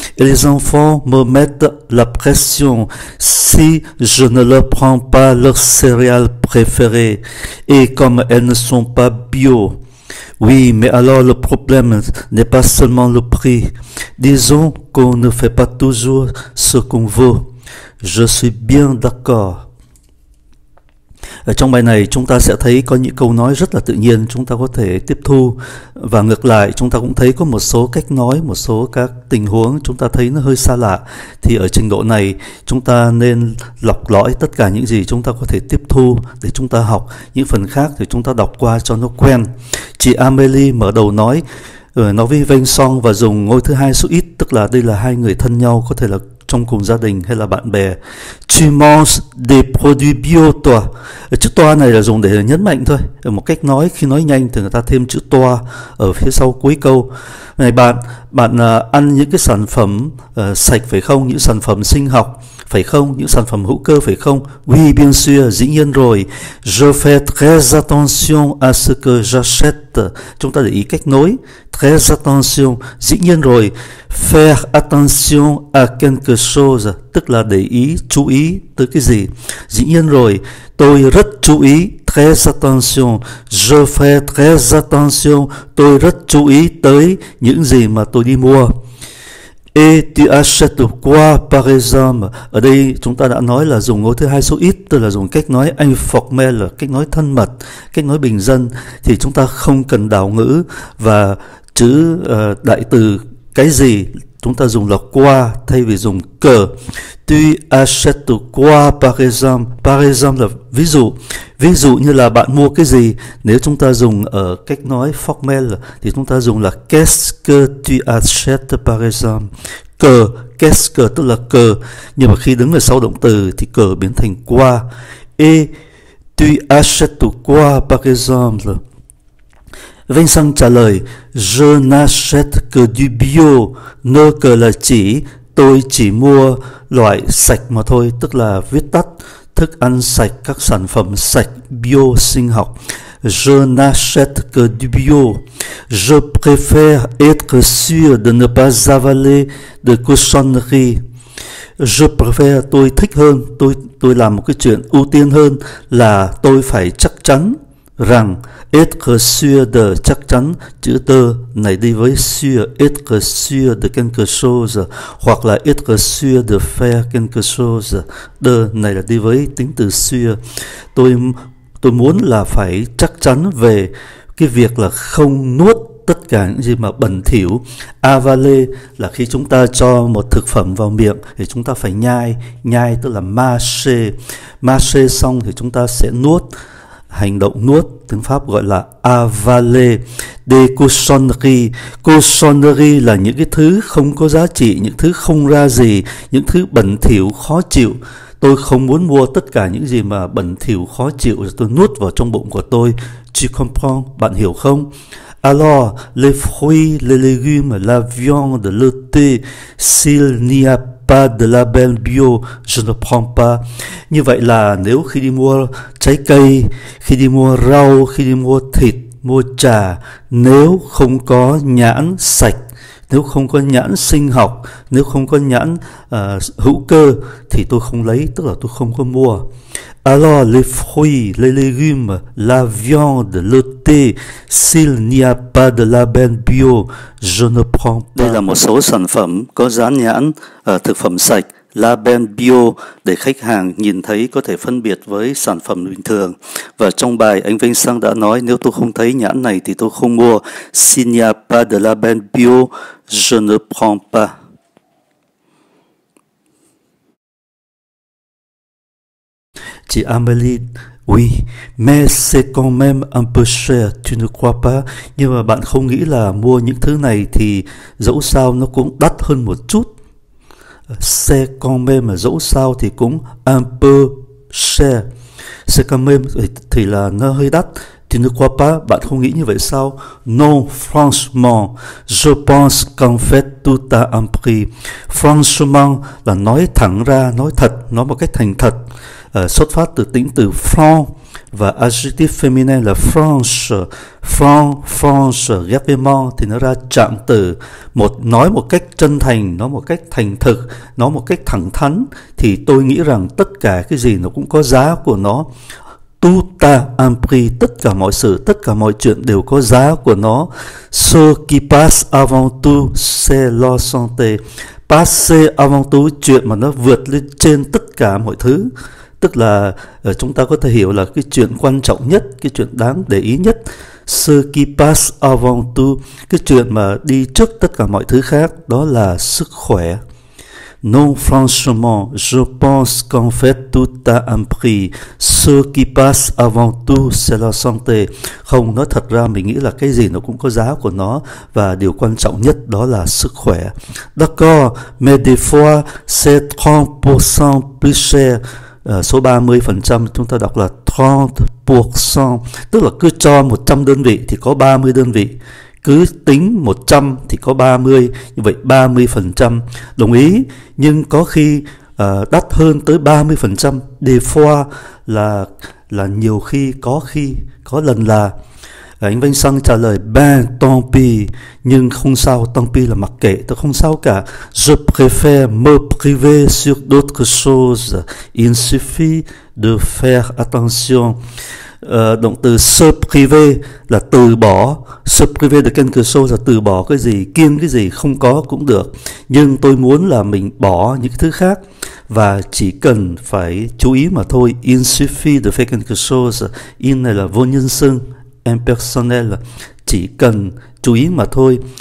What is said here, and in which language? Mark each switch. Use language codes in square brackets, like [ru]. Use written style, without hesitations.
[fr] Et les enfants me mettent la pression si je ne leur prends pas leurs céréales préférées, et comme elles ne sont pas bio. Oui, mais alors le problème n'est pas seulement le prix. Disons qu'on ne fait pas toujours ce qu'on veut. Je suis bien d'accord. [vi] Trong bài này chúng ta sẽ thấy có những câu nói rất là tự nhiên chúng ta có thể tiếp thu, và ngược lại chúng ta cũng thấy có một số cách nói, một số các tình huống chúng ta thấy nó hơi xa lạ. Thì ở trình độ này chúng ta nên lọc lõi tất cả những gì chúng ta có thể tiếp thu để chúng ta học, những phần khác thì chúng ta đọc qua cho nó quen. Chị Amélie mở đầu nói với Vincent và dùng ngôi thứ hai số ít, tức là đây là hai người thân nhau, có thể là trong cùng gia đình hay là bạn bè. [fr] Tu manges des produits bio toi? [vi] Chữ toi này là dùng để nhấn mạnh thôi. Một cách nói, khi nói nhanh thì người ta thêm chữ toi ở phía sau cuối câu. Này bạn, bạn ăn những cái sản phẩm sạch phải không? Những sản phẩm sinh học phải không? Những sản phẩm hữu cơ phải không? [fr] Oui, bien sûr, [vi] dĩ nhiên rồi. [fr] Je fais très attention à ce que j'achète. [vi] Chúng ta để ý cách nói. [fr] Très attention, [vi] dĩ nhiên rồi. [fr] Faire attention à quelque chose, [vi] tức là để ý, chú ý tới cái gì. Dĩ nhiên rồi, tôi rất chú ý. [fr] Très attention, je fais très attention, [vi] tôi rất chú ý tới những gì mà tôi đi mua. [fr] Et tu achètes quoi, par exemple? [vi] Ở đây chúng ta đã nói là dùng ngôi thứ hai số ít, tức là dùng cách nói informel, cách nói thân mật, cách nói bình dân, thì chúng ta không cần đảo ngữ. Và chữ đại từ cái gì chúng ta dùng là qua thay vì dùng que. [fr] Tu achètes quoi, par exemple? Par exemple [vi] là ví dụ. Ví dụ như là bạn mua cái gì? Nếu chúng ta dùng ở cách nói formel thì chúng ta dùng là [fr] qu'est-ce que tu achètes, par exemple? Que, qu'est-ce que [vi] tức là que, nhưng mà khi đứng ở sau động từ thì que biến thành qua. [fr] Et tu achètes quoi, par exemple? [vi] Vincent trả lời, [fr] je n'achète que du bio, ne que [vi] là chỉ, tôi chỉ mua loại sạch mà thôi, tức là viết tắt, thức ăn sạch, các sản phẩm sạch, bio sinh học. [fr] Je n'achète que du bio, je préfère être sûr de ne pas avaler de cochonneries. Je préfère, [vi] tôi thích hơn, tôi làm một cái chuyện ưu tiên hơn là tôi phải chắc chắn rằng [fr] être sûr de, [vi] chắc chắn, chữ de này đi với sûr, [fr] être sûr de quelque chose, [vi] hoặc là [fr] être sûr de faire quelque chose, [vi] de này là đi với tính từ sûr. Tôi muốn là phải chắc chắn về cái việc là không nuốt tất cả những gì mà bẩn thỉu. Avaler là khi chúng ta cho một thực phẩm vào miệng thì chúng ta phải nhai, nhai tức là mâcher. Mâcher xong thì chúng ta sẽ nuốt. Hành động nuốt tiếng Pháp gọi là avaler. [fr] Des cochonneries. [vi] Cochonneries là những cái thứ không có giá trị, những thứ không ra gì, những thứ bẩn thỉu khó chịu. Tôi không muốn mua tất cả những gì mà bẩn thỉu khó chịu, tôi nuốt vào trong bụng của tôi. [fr] Tu comprends? [vi] Bạn hiểu không? [fr] Alors, les fruits, les légumes, la viande, le thé, s'il n'y a pas de label bio, je ne prends pas. [vi] Như vậy là nếu khi đi mua trái cây, khi đi mua rau, khi đi mua thịt, mua trà, nếu không có nhãn sạch, nếu không có nhãn sinh học, nếu không có nhãn hữu cơ thì tôi không lấy, tức là tôi không có mua. [fr] Alors, les fruits, les légumes, la viande, le thé, s'il n'y a pas de label bio, je ne prends [vi] Đây là [fr] pas. [vi] một số sản phẩm có dán nhãn thực phẩm sạch, label bio, để khách hàng nhìn thấy có thể phân biệt với sản phẩm bình thường. Và trong bài, anh Vincent đã nói nếu tôi không thấy nhãn này thì tôi không mua. [fr] S'il n'y a pas de label bio, je ne prends pas. Chị Amélie, oui, mais c'est quand même un peu cher, tu ne crois pas? [vi] Nhưng mà bạn không nghĩ là mua những thứ này thì dẫu sao nó cũng đắt hơn một chút. [fr] C'est quand même, [vi] mà dẫu sao thì cũng [fr] un peu cher. C'est quand même [vi] thì là nó hơi đắt. [fr] Tu ne crois pas? [vi] Bạn không nghĩ như vậy sao? [fr] Non, franchement, je pense qu'en fait tout a un prix. Franchement [vi] là nói thẳng ra, nói thật, nói một cách thành thật. Xuất phát từ tính từ franc và adjective feminine là franche, franche ghép với mon thì nó ra trạng từ. Một nói một cách chân thành, nói một cách thành thực, nói một cách thẳng thắn thì tôi nghĩ rằng tất cả cái gì nó cũng có giá của nó. [fr] Tout a un prix, [vi] tất cả mọi sự, tất cả mọi chuyện đều có giá của nó. [fr] Ce qui passe avant tout, c'est la santé. Passer avant tout, [vi] chuyện mà nó vượt lên trên tất cả mọi thứ. Tức là chúng ta có thể hiểu là cái chuyện quan trọng nhất, cái chuyện đáng để ý nhất. [fr] Ce qui passe avant tout, [vi] cái chuyện mà đi trước tất cả mọi thứ khác, đó là sức khỏe. [fr] Non, franchement, je pense qu'en fait tout a un prix. Ce qui passe avant tout, c'est la santé. [vi] Không, nói thật ra mình nghĩ là cái gì nó cũng có giá của nó và điều quan trọng nhất đó là sức khỏe. [fr] D'accord, mais des fois, c'est 30% plus cher. [vi] Số 30% chúng ta đọc là 30%, tức là cứ cho 100 đơn vị thì có 30 đơn vị. Cứ tính 100 thì có 30, như vậy 30% đồng ý, nhưng có khi đắt hơn tới 30%. [fr] Des fois [vi] là nhiều khi, có lần là. Anh Vincent trả lời, [fr] ben, tant pis, [vi] nhưng không sao, [fr] tant pis [vi] là mặc kệ, tôi không sao cả. [fr] Je préfère me priver sur d'autres choses. Il suffit de faire attention. [vi] Động từ [fr] se priver [vi] là từ bỏ. [fr] Se priver de quelque chose [vi] là từ bỏ cái gì, kiêng cái gì, không có cũng được. Nhưng tôi muốn là mình bỏ những thứ khác và chỉ cần phải chú ý mà thôi. [fr] Il suffit de faire quelque chose. [vi] Il này là vô nhân xưng. Impersonnel, chỉ cần chú ý mà thôi.